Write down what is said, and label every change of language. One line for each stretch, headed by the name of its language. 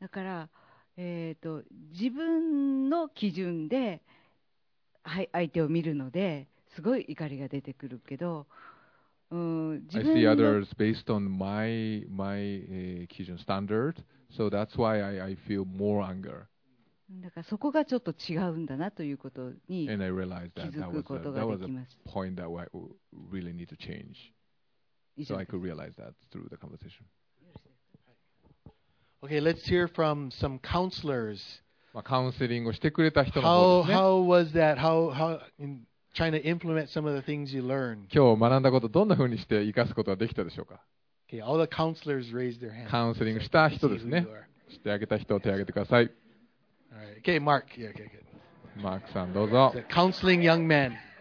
Japanese: だから、自分の基準で相手を見るのですごい怒りが出てくるけど、
English: I see others based on my Kijun standard, so that's why I feel more anger.
Japanese: だからそこがちょっと違うんだなということに気づくことができました。
English: That was a point that I really need to change, so I could realize that through the conversation. Okay, let's hear from some counselors.
Japanese: まあカウンセリングをしてくれた人の方ですね。
English: How was that? How in... Trying to implement some of the things you learned.
Japanese: 今日学んだことをどんな風にして生かすことができたでしょうか。
English: Okay, all the counselors raised their hands.
Japanese: カウンセリングした人ですね。知ってあげた人を手を挙げてください。
English: Okay, Mark. Yeah, okay, good.
Japanese: Mark さんどうぞ。
English: Counseling young man.